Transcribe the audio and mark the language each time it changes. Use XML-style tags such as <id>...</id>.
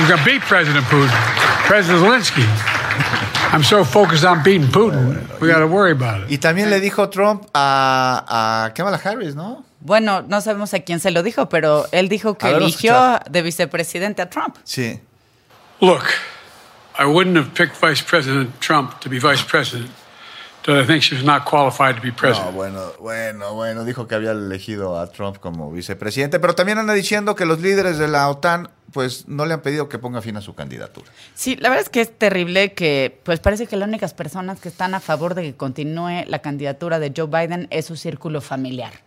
<en>We're going to beat President Putin. President Zelensky. I'm so focused on beating Putin. We got to worry about it.</en> <es>Y también le dijo Trump a Kamala Harris, ¿no? Bueno, no sabemos a quién se lo dijo, pero él dijo que eligió de vicepresidente a Trump. Sí.</es> <en>Look, I wouldn't have picked Vice President Trump to be vice president, but I think she's not qualified to be president.</en> <es>No, bueno, dijo que había elegido a Trump como vicepresidente, pero también anda diciendo que los líderes de la OTAN, pues, no le han pedido que ponga fin a su candidatura. Sí, la verdad es que es terrible que, pues, parece que las únicas personas que están a favor de que continúe la candidatura de Joe Biden es su círculo familiar.</es>